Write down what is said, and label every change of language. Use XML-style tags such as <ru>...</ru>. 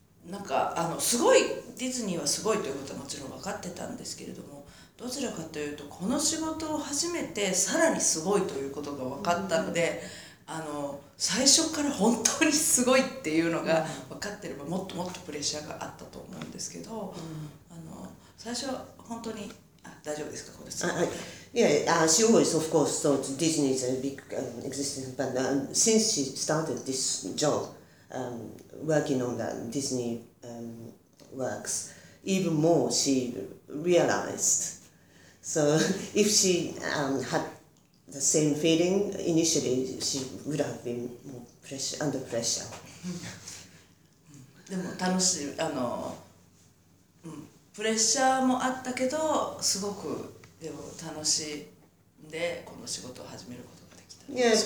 <ja>なんかあのすごいディズニーはすごいということはもちろん分かってたんですけれども、どちらかというとこの仕事を始めてさらにすごいということが分かったので、あの最初から本当にすごいっていうのが分かってればもっともっとプレッシャーがあったと思うんですけど、あの最初は本当に大丈夫ですか、これですか？</ja> <en>Yeah, she always, of course, thought Disney is a big existence, but since she started this job. Working on the Disney works, even more she realized. So if she had the same feeling initially, she would have been more pressure, under pressure.</en> <ja>でも楽しい、プレッシャーもあったけど、すごくでも楽しんでこの仕事を始めることができた。</ja>